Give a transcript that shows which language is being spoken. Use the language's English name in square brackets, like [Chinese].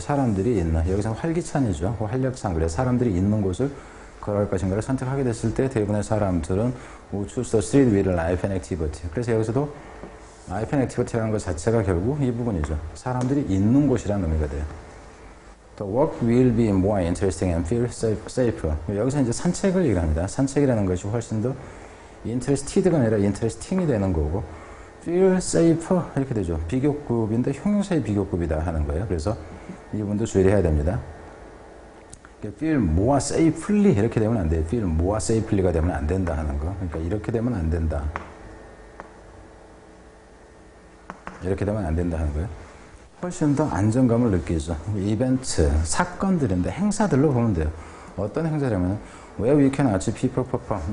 [Korean] 사람들이 있는, 여기서는 활기찬이죠. 활력찬. 그래, 사람들이 있는 곳을 걸어갈 것인가를 선택하게 됐을 때 대부분의 사람들은 [English] would choose the street with life and activity. [Korean] 그래서 여기서도 [English] life and activity [Korean] 라는 것 자체가 결국 이 부분이죠. 사람들이 있는 곳이라는 의미가 돼요. [English] The walk will be more interesting and feel safer. [Korean] 여기서 이제 산책을 얘기합니다. 산책이라는 것이 훨씬 더 interested가 아니라 interesting이 되는 거고, [English] feel safer [Korean] 이렇게 되죠. 비교급인데 형용사의 비교급이다 하는 거예요. 그래서 이 부분도 주의를 해야 됩니다. [English] feel more safely [Korean] 이렇게 되면 안 돼요. feel more safely가 되면 안 된다 하는 거. 그러니까 이렇게 되면 안 된다 하는 거예요. 훨씬 더 안정감을 느끼죠. 이벤트, 사건들인데 행사들로 보면 돼요. 어떤 행사라면 [English] where we can watch people perform.